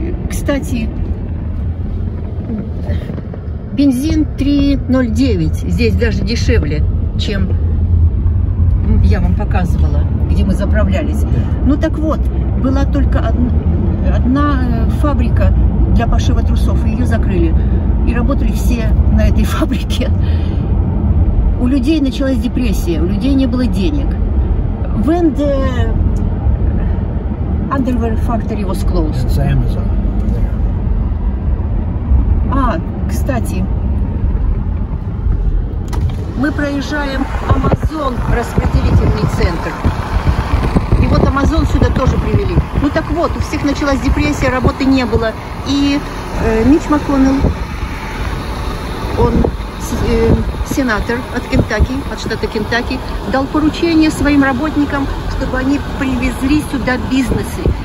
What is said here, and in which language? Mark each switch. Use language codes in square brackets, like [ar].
[ru] Кстати, бензин 3,09, здесь даже дешевле, чем я вам показывала, где мы заправлялись. Ну так вот, была только одна фабрика для пошива трусов, ее закрыли. и работали все на этой фабрике. У людей началась депрессия, у людей не было денег. [en] When the underwear factory was closed. It's Amazon. [ru] А, кстати, мы проезжаем Amazon распределительный центр. И вот Amazon сюда тоже привели. Ну так вот, у всех началась депрессия, работы не было. И Митч МакКоннелл, он сенатор от Кентаки, от штата Кентаки, дал поручение своим работникам, чтобы они привезли сюда бизнесы.